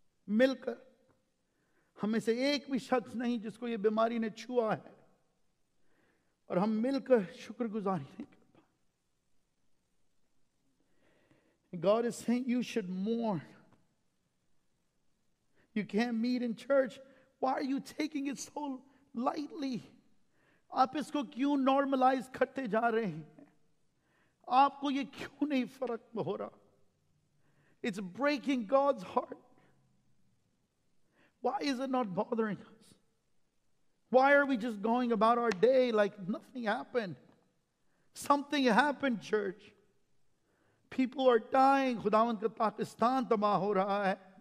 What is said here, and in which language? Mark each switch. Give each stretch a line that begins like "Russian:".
Hindi: मिलकर हमें से एक भी शख्स नहीं जिसको ये बीमारी ने छुआ है और हम मिलकर शुक्रगुजारी नहीं कर पाए.
English: God is saying you should mourn. You can't meet in church. Why are you taking it so lightly?
Hindi: आप इसको क्यों नॉर्मलाइज करते जा रहे हैं? आपको ये क्यों नहीं फर्क हो रहा?
English: It's breaking God's heart. Why is it not bothering us? Why are we just going about our day like nothing happened? Something happened, church. People are dying.
Hindi: Khudawand ka Pakistan tamah ho raha hai.